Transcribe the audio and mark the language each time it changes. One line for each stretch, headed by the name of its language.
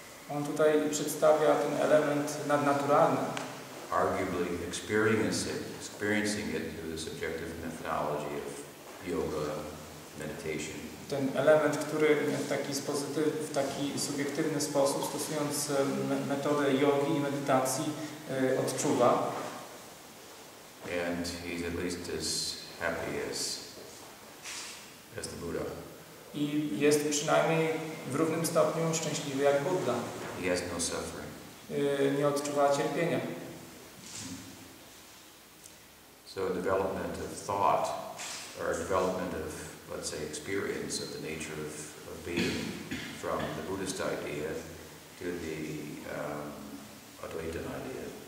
Polish: On tutaj przedstawia ten element nadnaturalny.
English: Arguably experiencing it through the subjective methodology of yoga, meditation.
Polish: Ten element, który w taki subiektywny sposób, stosując metodę jogi i medytacji, odczuwa.
English: And he's at least as happy as the Buddha.
Polish: I jest przynajmniej w równym stopniu szczęśliwy jak Buddha.
English: He has no suffering.
Polish: Nie odczuwa cierpienia.
English: So development of thought, or development of, let's say, experience of the nature of being, from the Buddhist idea to the Advaita idea.